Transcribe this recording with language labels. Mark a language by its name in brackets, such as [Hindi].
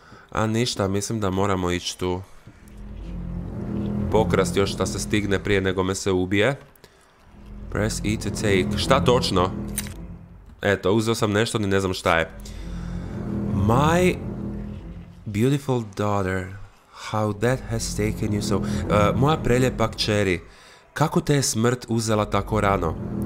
[Croatian] A ništa, mislim da moramo ići tu. Pokrast još šta se stigne prije nego me se ubije. [English] Press E to take. [Croatian] Šta točno? Eto, uzeo sam nešto, ni ne znam šta je. [English] My... Beautiful daughter, how that has taken you so... [Croatian] moja preljepa kćeri, kako te je smrt uzela tako rano?